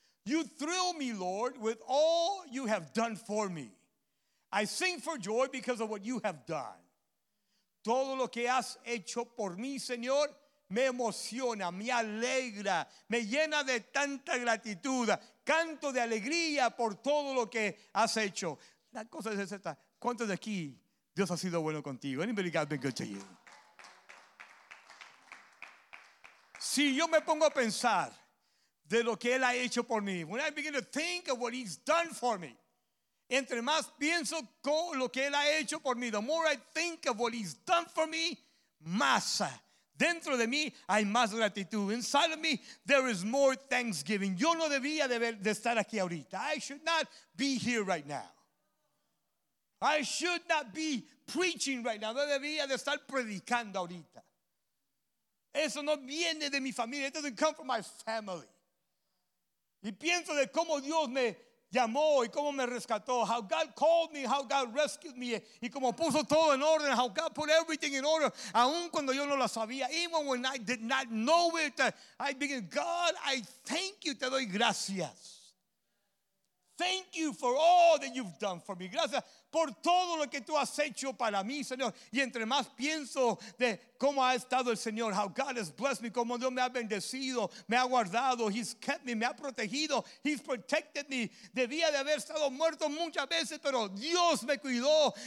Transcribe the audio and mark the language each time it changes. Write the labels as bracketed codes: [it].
[en] You thrill me, Lord, with all you have done for me. I sing for joy because of what you have done. [es] Todo lo que has hecho por mí, Señor, me emociona, me alegra, me llena de tanta gratitud. Canto de alegría por todo lo que has hecho. La cosa es esta. ¿Cuántos de aquí Dios ha sido bueno contigo? [en] Anybody God been good to you? [es] Si yo me pongo a pensar de lo que Él ha hecho por mí, [en] when I begin to think of what He's done for me, [es] entre más pienso con lo que Él ha hecho por mí, [en] the more I think of what He's done for me, [es] más dentro de mí hay más gratitud. [en] Inside of me, there is more thanksgiving. [es] Yo no debía de estar aquí ahorita. [en] I should not be here right now. I should not be preaching right now. [es] No debía de estar predicando ahorita. Eso no viene de mi familia. [en] It doesn't come from my family. [es] Y pienso de cómo Dios me llamó y cómo me rescató. [en] How God called me, how God rescued me. [es] Y cómo puso todo en orden. [en] How God put everything in order. [es] Aun cuando yo no lo sabía. [en] Even when I did not know it. I begin, God, I thank you. [es] Te doy gracias. [en] Thank you for all that you've done for me. [es] Gracias por todo lo que tú has hecho para mí, Señor. Y entre más pienso de cómo ha estado el Señor, [en] how God has blessed me, [es] cómo Dios me ha bendecido, me ha guardado, [en] He's kept me, [es] me ha protegido, [en] He's protected me. [es] Debía de haber estado muerto muchas veces, pero Dios me cuidó.